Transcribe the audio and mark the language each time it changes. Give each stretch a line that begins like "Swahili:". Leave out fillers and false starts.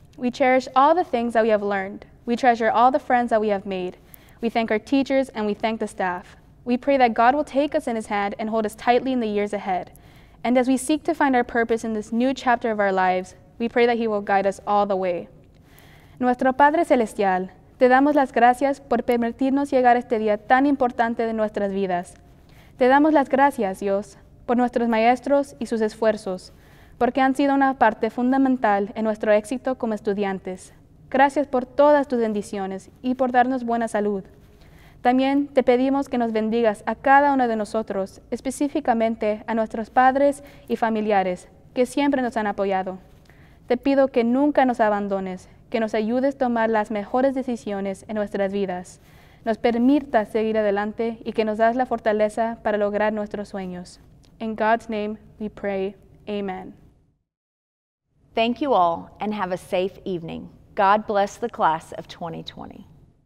English: We cherish all the things that we have learned. We treasure all the friends that we have made. We thank our teachers and we thank the staff. We pray that God will take us in his hand and hold us tightly in the years ahead. And as we seek to find our purpose in this new chapter of our lives, we pray that he will guide us all the way.
Spanish: Nuestro Padre Celestial, te damos las gracias por permitirnos llegar a este día tan importante de nuestras vidas. Te damos las gracias, Dios, por nuestros maestros y sus esfuerzos, porque han sido una parte fundamental en nuestro éxito como estudiantes. Gracias por todas tus bendiciones y por darnos buena salud. También te pedimos que nos bendigas a cada uno de nosotros, específicamente a nuestros padres y familiares, que siempre nos han apoyado. Te pido que nunca nos abandones, que nos ayudes a tomar las mejores decisiones en nuestras vidas, nos permitas seguir adelante y que nos das la fortaleza para lograr nuestros sueños.
English: In God's name we pray, amen. Thank you all and have a safe evening. God bless the class of 2020.